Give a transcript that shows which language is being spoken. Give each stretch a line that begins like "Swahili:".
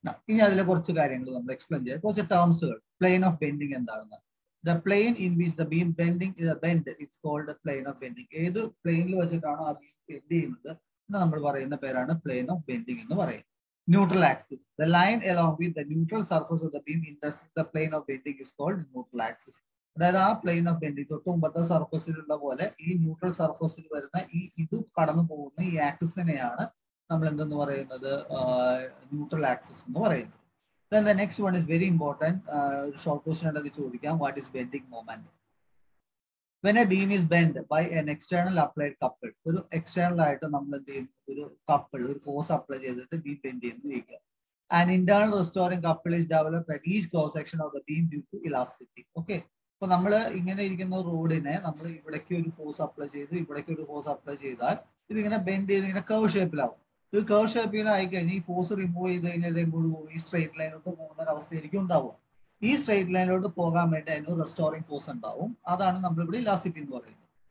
Malayalam: ഇനി അതിലെ കുറച്ച് കാര്യങ്ങൾ നമ്മൾ എക്സ്പ്ലെയിൻ ചെയ്യാം, കുറച്ച് ടേംസുകൾ. പ്ലെയിൻ ഓഫ് ബെൻഡിങ് എന്താണെന്ന്,
English: The plane in which the beam bending bend it's called plane of bending.
Malayalam: ഏത് പ്ലെയിനിൽ വെച്ചിട്ടാണോ ആ ബീം ബെൻഡ് ചെയ്യുന്നത് എന്ന് നമ്മൾ പറയുന്ന പേരാണ് പ്ലെയിൻ ഓഫ് ബെൻഡിങ് എന്ന് പറയുന്നത്.
English: Neutral axis. The line along with the neutral surface of the beam intersects the plane of bending is called neutral axis. That is, plane of bending. So, to the surface of the beam, this neutral surface of the beam, this is the axis of the beam. We call it neutral axis. Then the next one is very important. Short question, what is bending moment? When a beam is bent by an external applied couple,
Malayalam: ഒരു external ആയിട്ട് നമ്മൾ എന്ത് ചെയ്യുന്നു, ഒരു couple ഒരു force apply ചെയ്തിട്ട് beam bend ചെയ്യുന്നു ഇരിക്കുക.
English: An internal restoring couple is developed at each cross section of the beam due to elasticity. Okay.
Malayalam: അപ്പൊ നമ്മൾ ഇങ്ങനെ ഇരിക്കുന്ന റോഡിനെ നമ്മൾ ഇവിടേക്ക് ഒരു ഫോഴ്സ് അപ്ലൈ ചെയ്ത് ഇവിടേക്ക് ഒരു ഫോഴ്സ് അപ്ലൈ ചെയ്താൽ ഇതിങ്ങനെ ബെൻഡ് ചെയ്ത് ഇങ്ങനെ കർവ് ഷേപ്പിലാവും. ഇത് കർവ് ഷേപ്പിലായിക്കഴിഞ്ഞാൽ ഈ ഫോഴ്സ് റിമൂവ് ചെയ്ത് കഴിഞ്ഞാൽ എങ്ങോട്ട് പോകും, ഈ സ്ട്രെയിറ്റ് ലൈനിലോട്ട് പോകുന്ന ഒരു അവസ്ഥയായിരിക്കും ഉണ്ടാവുക. ഈ സ്ട്രെയിറ്റ് ലൈനിലോട്ട് പോകാൻ വേണ്ടി അതിനൊരു റെസ്റ്റോറിംഗ് ഫോഴ്സ് ഉണ്ടാവും, അതാണ് നമ്മളിവിടെ ഇലാസ്റ്റിറ്റി എന്ന് പറയുന്നത്.